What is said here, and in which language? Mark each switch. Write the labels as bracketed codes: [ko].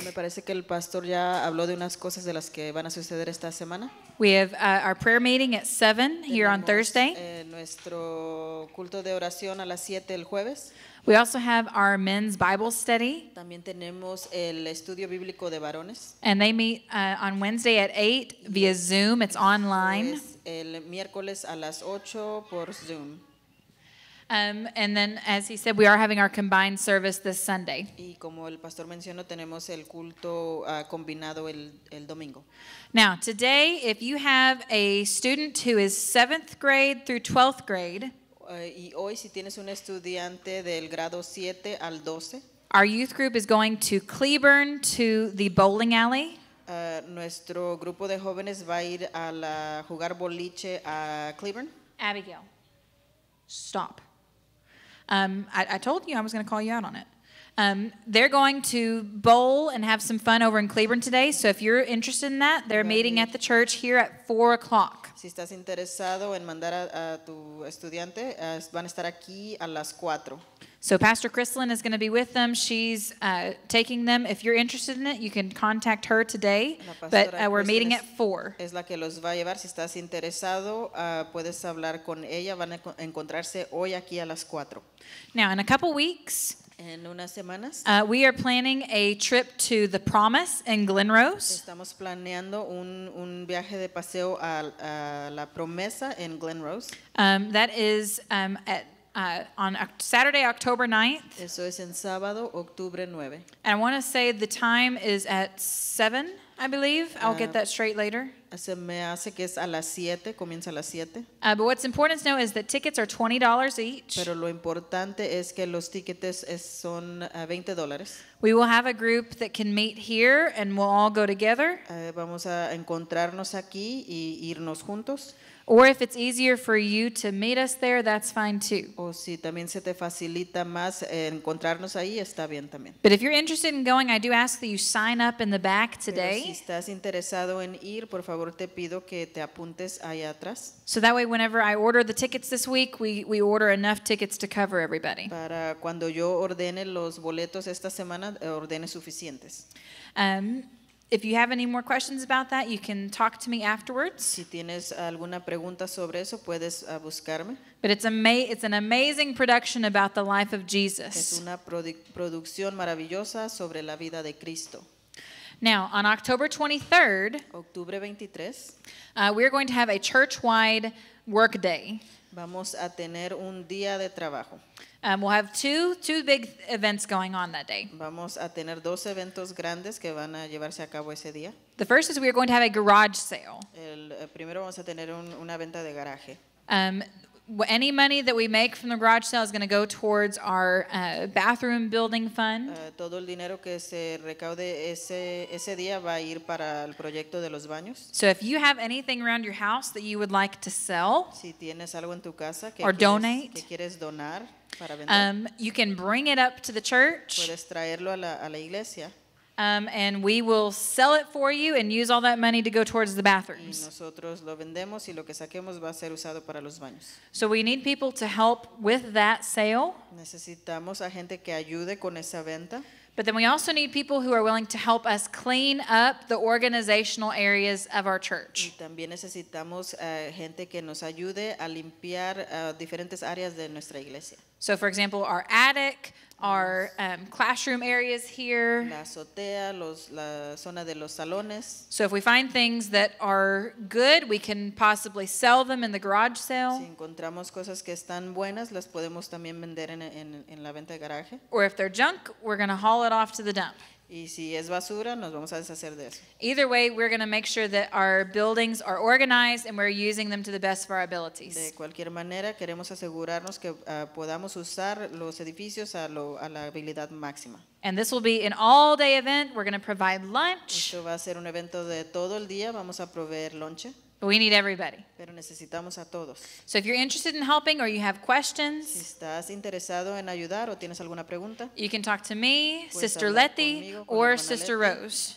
[es] Me parece que el pastor ya habló de unas cosas de las que van a suceder esta semana. [en] We have our prayer meeting at 7 here on Thursday. [es] Nuestro culto de oración a las 7 el jueves. [en] We also have our men's Bible study. [es] También tenemos el estudio bíblico de varones. [en] And they meet on Wednesday at 8 via Zoom. It's online. [es] El miércoles a las 8 por Zoom. [en] And then, as he said, we are having our combined service this Sunday. [es] Y como el pastor mencionó, tenemos el culto combinado el domingo. [en] Now, today, if you have a student who is 7th grade through 12th grade, [es] y hoy si tienes un estudiante del grado 7 al 12, [en] our youth group is going to Cleburne to the bowling alley. [es] Nuestro grupo de jóvenes va a ir a la jugar boliche a Cleburne. [en] Abigail, stop. I told you I was going to call you out on it. They're going to bowl and have some fun over in Cleburne today. So if you're interested in that, they're meeting at the church here at 4 o'clock. [es] Si estás interesado en mandar a tu estudiante, van a estar aquí a las 4. [en] So Pastor Crislin is going to be with them. She's taking them. If you're interested in it, you can contact her today. But we're meeting at 4. [es] Es la que los va a llevar. Si estás interesado, puedes hablar con ella. Van a encontrarse hoy aquí a las 4. [en] Now, in a couple weeks... [es] En unas semanas, [en] we are planning a trip to the Promise in Glenrose. [es] Estamos planeando un viaje de paseo a la Promesa en Glenrose. [en] That is on Saturday, October 9th. [es] Eso es en sábado, octubre 9. [en] And I want to say the time is at 7, I believe. I'll get that straight later. [es] Se me hace que es a las 7, comienza a las 7. [en] But what's important to know is that tickets are $20 each. [es] Pero lo importante es que los tickets son $20. [en] We will have a group that can meet here and we'll all go together. [es] Vamos a encontrarnos aquí y irnos juntos. [en] Or if it's easier for you to meet us there, that's fine too. [es] O si también se te facilita más encontrarnos ahí, está bien también. [en] But if you're interested in going, I do ask that you sign up in the back today. [es] Pero si estás interesado en ir, por favor te pido que te apuntes ahí atrás. [en] So that way, whenever I order the tickets this week, we order enough tickets to cover everybody. [es] Para cuando yo ordene los boletos esta semana, ordene suficientes. [en] If you have any more questions about that, you can talk to me afterwards. [es] Si tienes alguna pregunta sobre eso, puedes buscarme. [en] But it's an amazing production about the life of Jesus. [es] Es una producción maravillosa sobre la vida de Cristo. [en] Now, on October 23rd, [es] octubre 23, [en] we're going to have a church-wide work day. [es] Vamos a tener un día de trabajo. [en] We'll have two big events going on that day. [es] Vamos a tener dos eventos grandes que van a llevarse a cabo ese día. [en] The first is we are going to have a garage sale. [es] El primero vamos a tener una venta de garaje. [en] Any money that we make from the garage sale is going to go towards our bathroom building fund. [es] Todo el dinero que se recaude ese día va a ir para el proyecto de los baños. [en] So if you have anything around your house that you would like to sell, [es] si tienes algo en tu casa que [en] or [es] quieres, [en] donate, [es] que quieres donar para vender, [en] you can bring it up to the church. [es] Puedes traerlo a la iglesia. [en] And we will sell it for you and use all that money to go towards the bathrooms. [es] Y nosotros lo vendemos y lo que saquemos va a ser usado para los baños. [en] So we need people to help with that sale. [es] Necesitamos a gente que ayude con esa venta. [en] But then we also need people who are willing to help us clean up the organizational areas of our church. [es] Y también necesitamos gente que nos ayude a limpiar diferentes áreas de nuestra iglesia. [en] So for example, our attic, our classroom areas here. [es] La azotea, la zona de los salones. [en] So if we find things that are good, we can possibly sell them in the garage sale. [es] Si encontramos cosas que están buenas, las podemos también vender en la venta de garaje. [en] Or if they're junk, we're going to haul it off to the dump. [es] Y si es basura, nos vamos a deshacer de eso. [en] Either way, we're going to make sure that our buildings are organized and we're using them to the best of our abilities. [es] De cualquier manera, queremos asegurarnos que podamos usar los edificios a la habilidad máxima. [en] And this will be an all-day event. We're going to provide lunch. [es] Esto va a ser un evento de todo el día. Vamos a proveer lunch. [en] But we need everybody. [es] Pero necesitamos a todos. [en] So if you're interested in helping or you have questions, [es] si estás interesado en ayudar o tienes alguna pregunta, [en] you can talk to me, Sister Letty, or Sister Rose.